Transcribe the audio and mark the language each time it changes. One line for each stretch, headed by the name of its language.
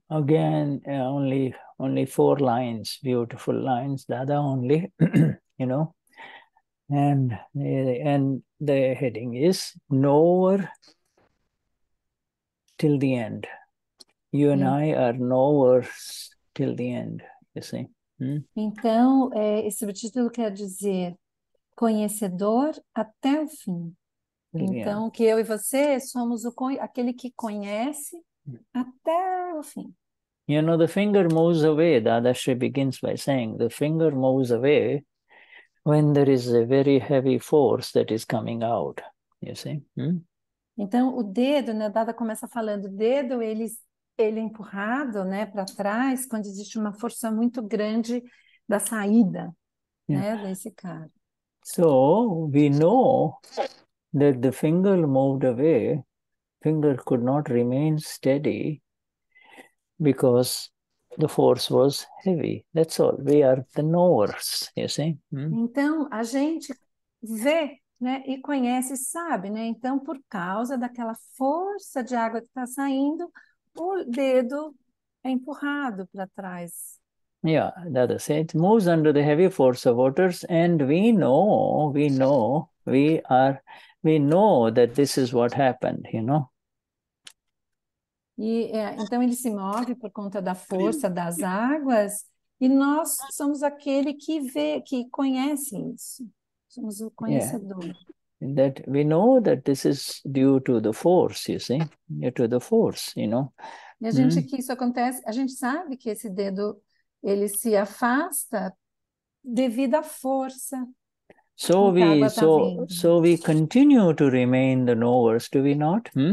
English: Again, only four lines, beautiful lines, Dada only, you know. And the heading is knower till the end. You and I are knowers till the end, you see.
Portuguese: Então, esse subtítulo quer dizer conhecedor até o fim. Então, que eu e você somos aquele que conhece até o fim.
English: You know, the finger moves away. Dadashri begins by saying the finger moves away when there is a very heavy force that is coming out. You see?
Portuguese: Então, o dedo, né, Dada começa falando, dedo, ele empurrado, né, para trás, quando existe uma força muito grande da saída, né, desse cara.
English: So we know that the finger moved away, finger could not remain steady because the force was heavy. That's all. We are the knowers, you see?
Portuguese: Então, a gente vê, né, e conhece, sabe, né? Então, por causa daquela força de água que está saindo, o dedo é empurrado para trás.
English: Yeah, that is it. It moves under the heavy force of waters, and we know that this is what happened, you know.
Portuguese: Então ele se move por conta da força das águas, e nós somos aquele que vê, que conhece isso. Somos o Yeah, conhecedor.
English: that we know that this is due to the force, you see, due to the force, you know.
Portuguese: E a gente, que isso acontece, a gente sabe que esse dedo, ele se afasta devido à força com
English: So
Portuguese: que a água está vindo.
English: we continue to remain the knowers, do we not?